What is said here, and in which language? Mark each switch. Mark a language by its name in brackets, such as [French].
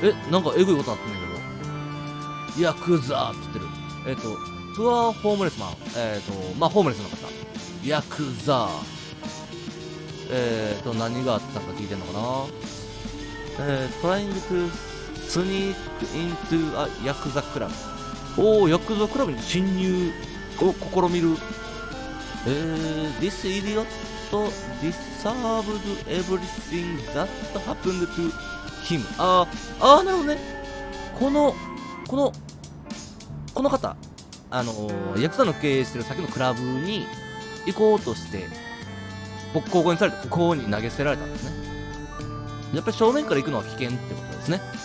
[Japanese] なんかエグいことあってんけど。ヤクザーって言ってる。 [English] プアーホームレスマン。 [Japanese] まあ、ホームレスの方。ヤクザー。何があったか聞いてんのかな？ [English] トライングトゥース。スニークイントゥヤクザクラブ。 [Japanese] おー、ヤクザクラブに侵入を試みる。 [English] This idiot deserved everything that happened to him. [Japanese] あー、なるほどね。この方、ヤクザの経営してる先のクラブに行こうとして、ボッコボコにされて、ここに投げ捨てられたんですね。やっぱり正面から行くのは危険ってことですね。